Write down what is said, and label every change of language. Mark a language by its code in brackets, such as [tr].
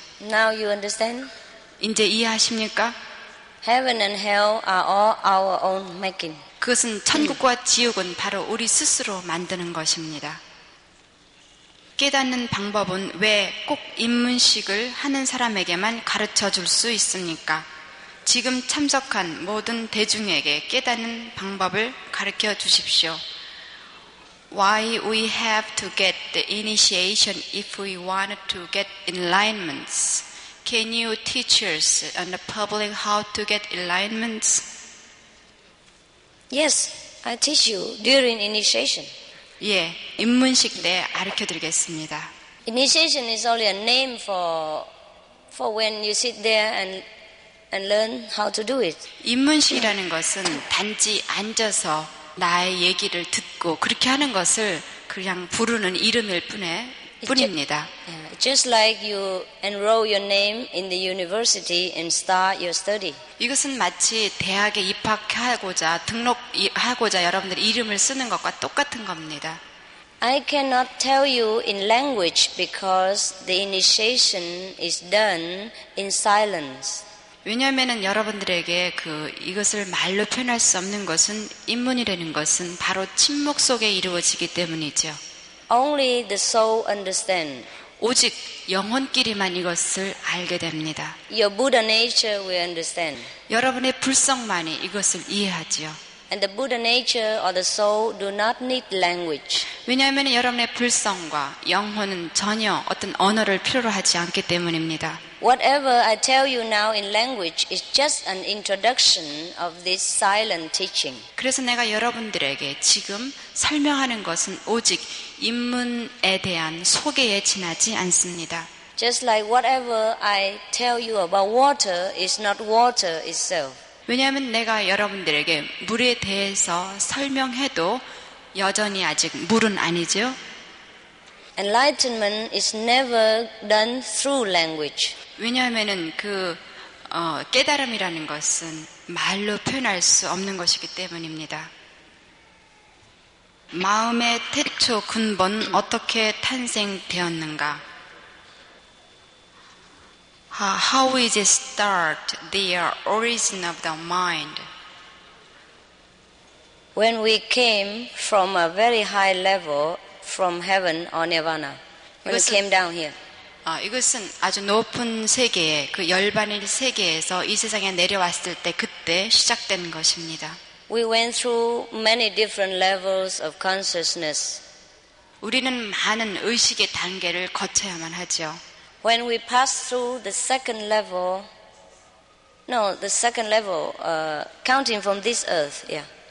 [en] Now you understand? [ko] 이제 이해하십니까? [en] Heaven and hell are all our own making. [ko] 그것은 천국과 지옥은 바로 우리 스스로 만드는 것입니다. 깨닫는 방법은 왜 꼭 입문식을 하는 사람에게만 가르쳐 줄 수 있습니까? 지금 참석한 모든 대중에게 깨닫는 방법을 가르쳐 주십시오. [en] Why we have to get the initiation if we want to get enlightenments? Can you teach us and the public how to get enlightenments? Yes, I teach you during initiation. [ko] 예, 입문식 때 가르쳐 드리겠습니다. [en] Initiation is only a name for when you sit there and learn how to do it. [ko] 입문식이라는 것은 단지 앉아서 나의 얘기를 듣고 그렇게 하는 것을 그냥 부르는 이름일 뿐입니다. [en] Just like you enroll your name in the university and start your study. [ko] 이것은 마치 대학에 입학하고자 등록하고자 여러분들 이름을 쓰는 것과 똑같은 겁니다. [en] I cannot tell you in language because the initiation is done in silence. [ko] 왜냐하면 여러분들에게 그 이것을 말로 표현할 수 없는 것은 입문이라는 것은 바로 침묵 속에 이루어지기 때문이죠. [en] Only the soul understand. [ko] 오직 영혼끼리만 이것을 알게 됩니다. [en] Your Buddha nature we understand. [ko] 여러분의 불성만이 이것을 이해하지요. [en] And the Buddha nature or the soul do not need language. [ko] 왜냐하면 여러분의 불성과 영혼은 전혀 어떤 언어를 필요로 하지 않기 때문입니다. [en] Whatever I tell you now in language is just an introduction of this silent teaching. [ko] 그래서 내가 여러분들에게 지금 설명하는 것은 오직 입문에 대한 소개에 지나지 않습니다. [en] Just like whatever I tell you about water is not water itself. [ko] 왜냐하면 내가 여러분들에게 물에 대해서 설명해도 여전히 아직 물은 아니죠. [en] Enlightenment is never done through language. [ko] 왜냐하면은 그 깨달음이라는 것은 말로 표현할 수 없는 것이기 때문입니다. 마음의 태초 근본 어떻게 탄생되었는가? [en] How is it start the origin of the mind? When we came from a very high level. From heaven or nirvana, when we came down here. [ko] 이것은 아주 높은 세계에 그 열반일 세계에서 이 세상에 내려왔을 때 그때 시작된 것입니다. [en] We went through many different levels of consciousness. [ko] 우리는 많은 의식의 단계를 거쳐야만 하죠. [en] when we pass through the second level, no, the second level, counting from this earth, yeah.